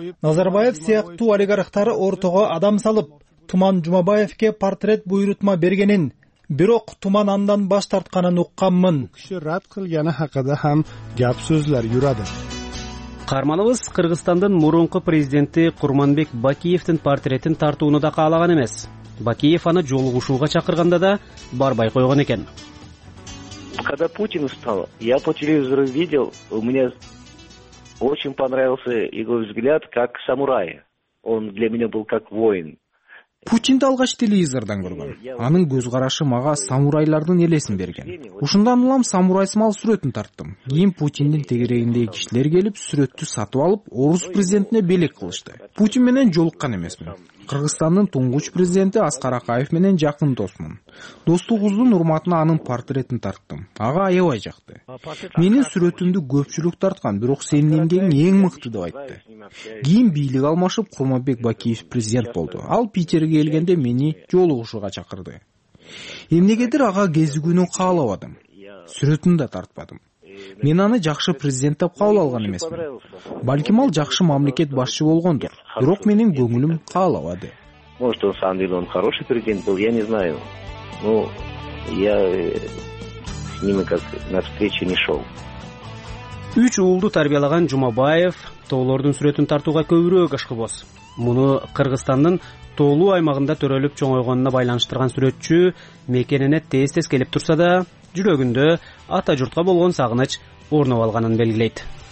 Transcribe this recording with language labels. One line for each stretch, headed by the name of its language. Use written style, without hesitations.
Kyrgyz: Назарбаев сыяктуу олигархтар ортого адам салып, Туман Жумабаевке портрет буйрутма бергенин, бирок Туман андан баш тартканын укканмын.
Uzbek: Киши рад кылганы хакында хам гап сөздөр жүрөт.
Kyrgyz: Карманыбыз Кыргызстандын мурунку президенти Курманбек Бакиевдин портретин тартууну да каалаган эмес. Бакиев аны жолугушууга чакырганда да барбай койгон экен.
Russian: Когда Путин встал, я по телевизору видел, мне очень понравился его взгляд как самурай. Он для меня был как воин.
Kyrgyz: Путинди алгач телевизордон көргөм. Анын көз карашы мага самурайлардын элесин берген. Ушундан улам самурай смал сүрөтүн тарттым. Кийин Путиндин тегерегиндеги кишилер келип, сүрөттү сатып алып, орус президентине белек кылышты. Путин менен жолуккан эмесмин. Кыргызстандын туңгуч президенти Аскар Акаев менен жакын досмун. Достугубуздун урматына анын портретин тарттым. Ага аябай жакты. Менин сүрөтүмдү көпчүлүк тарткан, бирок сенин эмгегиң эң мыкты деп айтты. Кийин бийлик алмашып, Курманбек Бакиев президент болду. Ал Питерге келгенде мени жолугушууга чакырды. Эмнегедир ага кезигүүнү каалабадым. Сүрөтүн да тартпадым. Мен аны жакшы президент деп кабыл алган эмесмин. Балким ал жакшы мамлекет башчы болгондур, бирок менин көңүлүм каалабады.
Russian: Может, он сам деле он хороший президент был, я не знаю. Ну, я с ними как на встречу не шел.
Kyrgyz: Үч уулду тарбиялаган Жумабаев тоолордун сүрөтүн тартууга көбүрөөк ашкыбоз. Муну Кыргызстандын тоолуу аймагында төрөлүп чоңойгонуна байланыштырган сүрөтчү мекенине тез-тез келип турса да, жүрөгүндө ата журтка болгон сагыныч орноп алганын белгилейт.